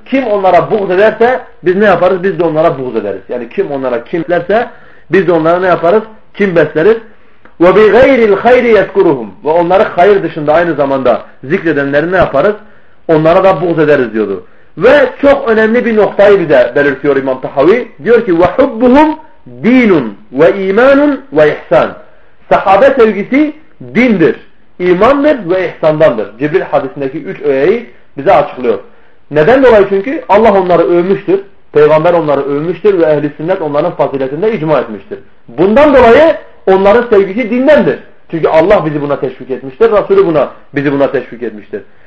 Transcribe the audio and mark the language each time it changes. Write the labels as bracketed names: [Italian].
[Turkish] Kim onlara buğz ederse biz ne yaparız? Biz de onlara buğz ederiz. Yani kim onlara kimlerse biz de onlara ne yaparız? Kim besleriz? [Arabic] وَبِغَيْرِ الْخَيْرِ يَذْكُرُهُمْ. [Turkish] Ve onları hayır dışında aynı zamanda zikredenleri ne yaparız? Onlara da buğz ederiz diyordu. Ve çok önemli bir noktayı bir de belirtiyor İmam Tahavi. Diyor ki [Arabic] وَحُبُّهُمْ دِينٌ وَاِيمَانٌ وَاِحْسَانٌ. [Turkish] Sahabe sevgisi dindir, imandır ve ihsandandır. Cibril hadisindeki üç öğeyi bize açıklıyor. Neden dolayı? Çünkü Allah onları övmüştür, peygamber onları övmüştür ve ehli sünnet onların faziletinde icma etmiştir. Bundan dolayı onların sevgisi dindendir. Çünkü Allah bizi buna teşvik etmiştir, Resulü bizi buna teşvik etmiştir.